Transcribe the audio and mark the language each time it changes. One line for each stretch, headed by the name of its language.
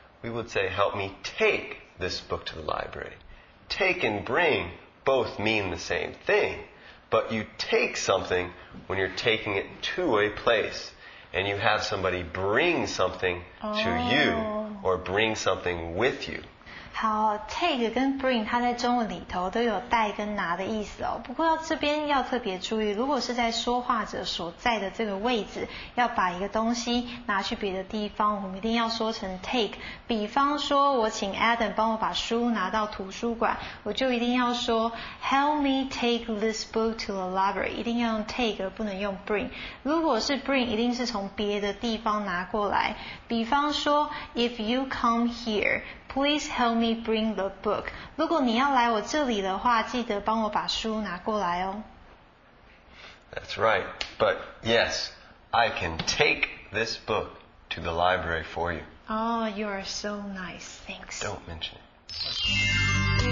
English: We would say, help me take this book to the library. Take and bring both mean the same thing, but you take something when you're taking it to a place, and you have somebody bring something to you, or bring something with you.
Chinese: 好 ,take 跟 bring 它在中文里头都有带跟拿的意思哦。不过要这边要特别注意，如果是在说话者所在的这个位置，要把一个东西拿去别的地方，我们一定要说成 take。比方说我请 Adam 帮我把书拿到图书馆，我就一定要说
English: help me take this book to the library，
Chinese: 一定要用 take 而不能用 bring。如果是 bring， 一定是从别的地方拿过来。
English: 比方说 if you come here，Please help me bring the book.
Chinese: 如果你要来我这里的话，记得帮我把书拿过来哦。
English: That's right. But yes, I can take this book to the library for you. Oh, you are so nice. Thanks. Don't mention it.